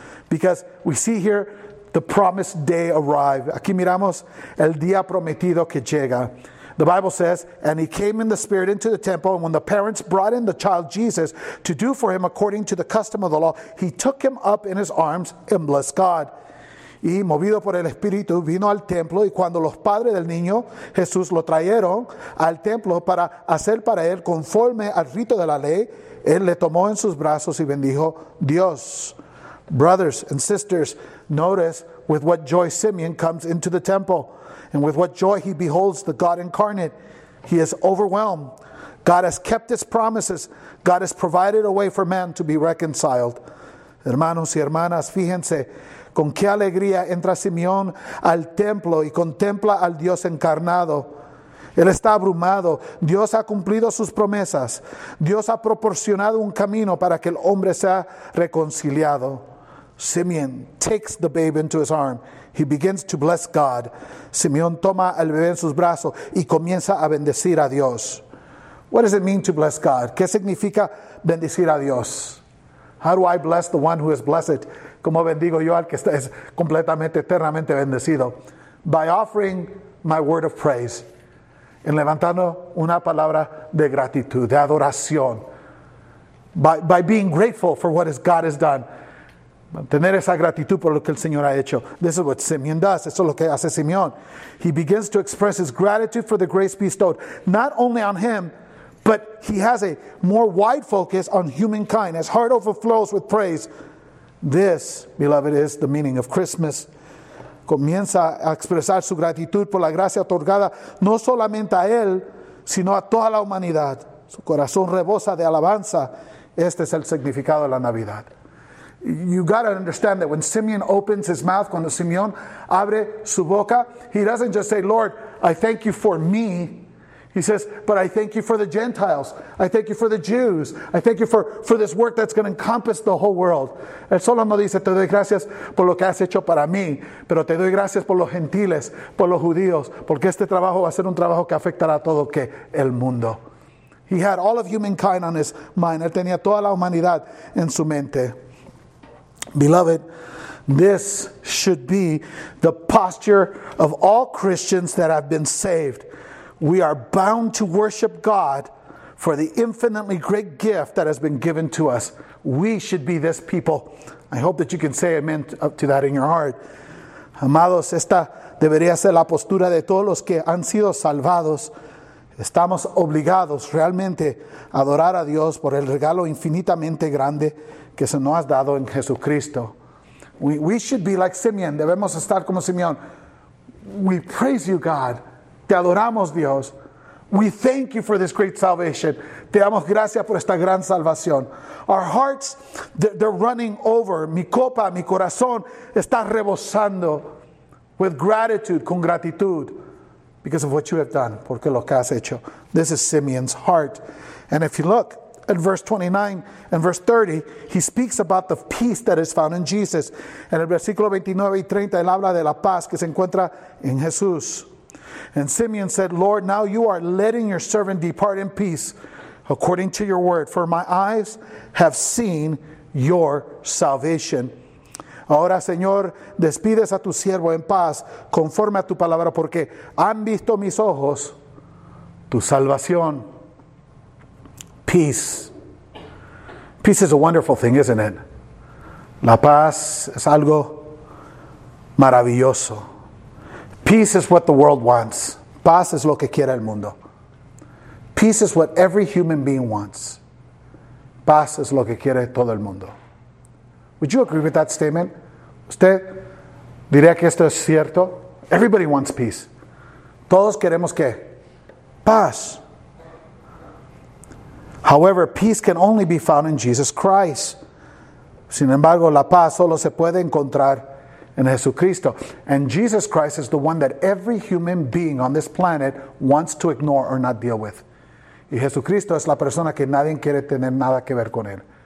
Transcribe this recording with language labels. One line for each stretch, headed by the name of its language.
English: Because we see here the promised day arrive.
Spanish: Aquí miramos el día prometido que llega.
English: The Bible says, and he came in the spirit into the temple, and when the parents brought in the child Jesus to do for him according to the custom of the law, he took him up in his arms and blessed God.
Spanish: Y movido por el Espíritu, vino al templo, y cuando los padres del niño Jesús lo trajeron al templo para hacer para él conforme al rito de la ley, él le tomó en sus brazos y bendijo Dios.
English: Brothers and sisters, notice with what joy Simeon comes into the temple, and with what joy he beholds the God incarnate. He is overwhelmed. God has kept his promises. God has provided a way for man to be reconciled.
Spanish: Hermanos y hermanas, fíjense, con qué alegría entra Simeón al templo y contempla al Dios encarnado. Él está abrumado. Dios ha cumplido sus promesas. Dios ha proporcionado un camino para que el hombre sea reconciliado.
English: Simeon takes the babe into his arm. He begins to bless God.
Spanish: Simeón toma al bebé en sus brazos y comienza a bendecir a Dios.
English: What does it mean to bless God?
Spanish: ¿Qué significa bendecir a Dios?
English: How do I bless the one who is blessed?
Spanish: ¿Cómo bendigo yo al que es completamente, eternamente bendecido?
English: By offering my word of praise.
Spanish: En levantando una palabra de gratitud, de adoración.
English: By being grateful for what God has done.
Spanish: Mantener esa gratitud por lo que el Señor ha hecho.
English: This is what Simeon does.
Spanish: Eso es lo que hace Simeon.
English: He begins to express his gratitude for the grace bestowed, not only on him, but he has a more wide focus on humankind. His heart overflows with praise. This, beloved, is the meaning of Christmas.
Spanish: Comienza a expresar su gratitud por la gracia otorgada, no solamente a él, sino a toda la humanidad. Su corazón rebosa de alabanza. Este es el significado de la Navidad.
English: You got to understand that when Simeon opens his mouth,
Spanish: cuando Simeon abre su boca,
English: he doesn't just say, Lord, I thank you for me. He says, but I thank you for the Gentiles. I thank you for the Jews. I thank you for this work that's going to encompass the whole world.
Spanish: Él solo no dice, te doy gracias por lo que has hecho para mí, pero te doy gracias por los gentiles, por los judíos, porque este trabajo va a ser un trabajo que afectará a todo que el mundo.
English: He had all of humankind on his mind.
Spanish: Él tenía toda la humanidad en su mente.
English: Beloved, this should be the posture of all Christians that have been saved. We are bound to worship God for the infinitely great gift that has been given to us. We should be this people. I hope that you can say amen to that in your heart.
Spanish: Amados, esta debería ser la postura de todos los que han sido salvados. Estamos obligados realmente a adorar a Dios por el regalo infinitamente grande que se nos ha dado en Jesucristo.
English: We should be like Simeon.
Spanish: Debemos estar como Simeón.
English: We praise you, God.
Spanish: Te adoramos, Dios.
English: We thank you for this great salvation.
Spanish: Te damos gracias por esta gran salvación.
English: Our hearts, they're running over.
Spanish: Mi copa, mi corazón está rebosando
English: with gratitude,
Spanish: con gratitud.
English: Because of what you have done,
Spanish: porque lo que has hecho.
English: This is Simeon's heart. And if you look at verse 29 and verse 30, he speaks about the peace that is found in Jesus.
Spanish: En el versículo 29 y 30, él habla de la paz que se encuentra en Jesús.
English: And Simeon said, Lord, now you are letting your servant depart in peace according to your word, for my eyes have seen your salvation.
Spanish: Ahora, Señor, despides a tu siervo en paz, conforme a tu palabra, porque han visto mis ojos tu salvación.
English: Peace. Peace is a wonderful thing, isn't it?
Spanish: La paz es algo maravilloso.
English: Peace is what the world wants.
Spanish: Paz es lo que quiere el mundo.
English: Peace is what every human being wants.
Spanish: Paz es lo que quiere todo el mundo.
English: Would you agree with that statement?
Spanish: ¿Usted diría que esto es cierto?
English: Everybody wants peace.
Spanish: ¿Todos queremos qué? Paz.
English: However, peace can only be found in Jesus Christ.
Spanish: Sin embargo, la paz solo se puede encontrar en Jesucristo.
English: And Jesus Christ is the one that every human being on this planet wants to ignore or not deal with.
Spanish: Y Jesucristo es la persona que nadie quiere tener nada que ver con él.